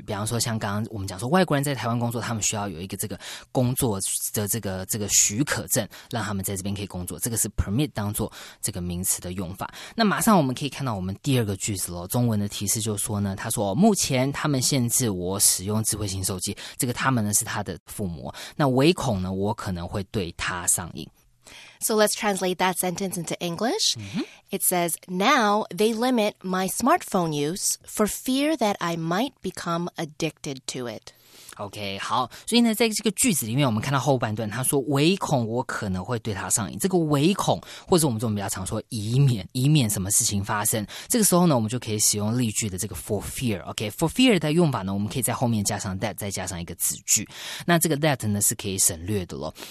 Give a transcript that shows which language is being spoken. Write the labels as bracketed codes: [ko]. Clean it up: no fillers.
[zh] 比方说像刚刚我们讲说外国人在台湾工作，他们需要有一个这个工作的这个许可证，让他们在这边可以工作。这个是 permit 当做这个名词的用法。那马上我们可以看到我们第二个句子咯，中文的提示就说呢，他说目前他们限制我使用智慧型手机，这个他们呢是他的父母，那唯恐呢我可能会对他上瘾。 [en] So let's translate that sentence into English. It says, now they limit my smartphone use for fear that I might become addicted to it. [zh] OK, 好，所以呢在这个句子里面我们看到后半段，他说唯恐我可能会对他上瘾，这个唯恐或者我们中文比较常说以免什么事情发生，这个时候呢我们就可以使用例句的这个 for fear。 OK, for fear 的用法呢，我们可以在后面加上 that， 再加上一个子句，那这个 that 呢是可以省略的咯。